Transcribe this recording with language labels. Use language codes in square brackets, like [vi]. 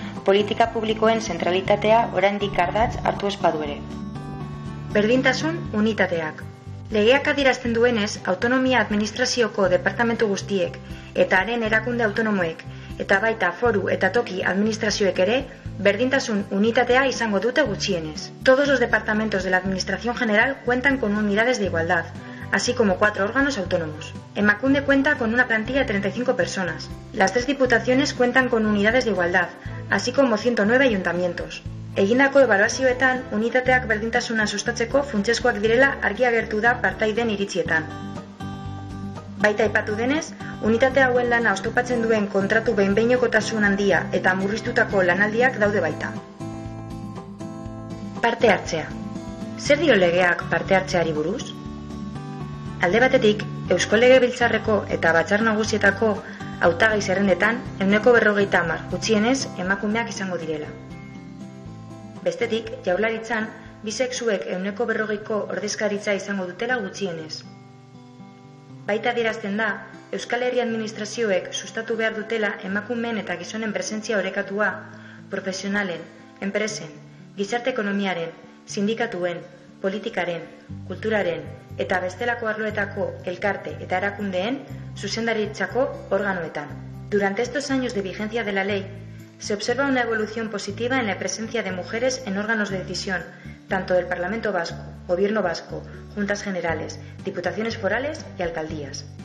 [eu] Politika publikoen zentralitatea oraindik ardatz hartu espadu ere. Berdintasun unitateak. Legeak adierazten duenez, autonomia administrazioko departamentu guztiek eta haren erakunde autonomoek eta baita foru eta toki administrazioek ere, berdintasun unitatea izango dute gutxienez. [es] Todos los departamentos de la Administración General cuentan con unidades de igualdad, así como 4 órganos autónomos. Emakunde cuenta con una plantilla de 35 personas. Las 3 diputaciones cuentan con unidades de igualdad, así como 109 ayuntamientos. [eu] Egindako ebaluazioetan, unitateak berdintasuna sustatzeko funtsezkoak direla argi agertu da partaideen iritzietan. Baita aipatu denez, unitate hauen lana oztopatzen duen kontratu behinbeinokotasun handia eta murriztutako lanaldiak daude baita. Parte hartzea. Zer dio legeak parte hartzeari buruz? Alde batetik, Eusko Legebiltzarreko eta Batzar Nagusietako hautagai zerrendetan 40% gutxienez emakumeak izango direla. Bestetik, Jaurlaritzan, bisexuek 40%ko ordezkaritza izango dutela gutxienez. Baita adierazten da, Euskal Herri Administrazioek sustatu behar dutela emakumeen eta gizonen presentzia orekatua, profesionalen, enpresen, gizarte ekonomiaren, sindikatuen, politikaren, kulturaren eta bestelako arloetako elkarte eta erakundeen zuzendaritzako organoetan. [es] Durante estos años de vigencia de la ley, se observa una evolución positiva en la presencia de mujeres en órganos de decisión, tanto del Parlamento Vasco, Gobierno Vasco, Juntas Generales, Diputaciones Forales y Alcaldías.